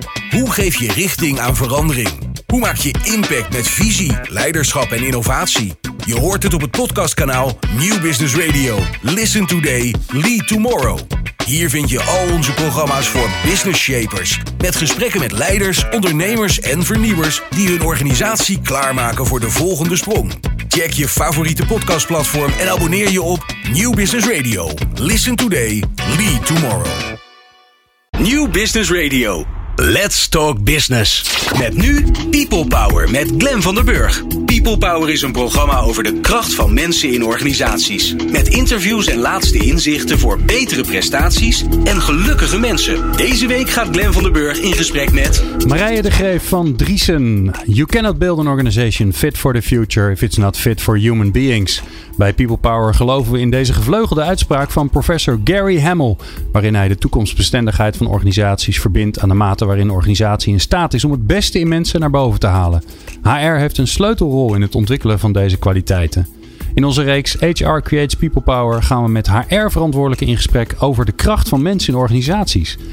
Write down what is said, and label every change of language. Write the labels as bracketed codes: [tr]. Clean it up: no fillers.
[nl] Hoe geef je richting aan verandering? Hoe maak je impact met visie, leiderschap en innovatie? Je hoort het op het podcastkanaal New Business Radio. [en] Listen today, lead tomorrow. [nl] Hier vind je al onze programma's voor business shapers. Met gesprekken met leiders, ondernemers en vernieuwers die hun organisatie klaarmaken voor de volgende sprong. Check je favoriete podcastplatform en abonneer je op New Business Radio. [en] Listen today, lead tomorrow. New Business Radio. Let's talk business. [nl] Met nu People Power met Glenn van der Burg. People Power is een programma over de kracht van mensen in organisaties. Met interviews en laatste inzichten voor betere prestaties en gelukkige mensen. Deze week gaat Glenn van der Burg in gesprek met Marije de Greef van Driessen. [en] You cannot build an organization fit for the future if it's not fit for human beings. [nl] Bij People Power geloven we in deze gevleugelde uitspraak van professor Gary Hamel, waarin hij de toekomstbestendigheid van organisaties verbindt aan de mate waarin een organisatie in staat is om het beste in mensen naar boven te halen. HR heeft een sleutelrol in het ontwikkelen van deze kwaliteiten. In onze reeks HR Creates People Power gaan we met HR-verantwoordelijken in gesprek over de kracht van mensen in organisaties.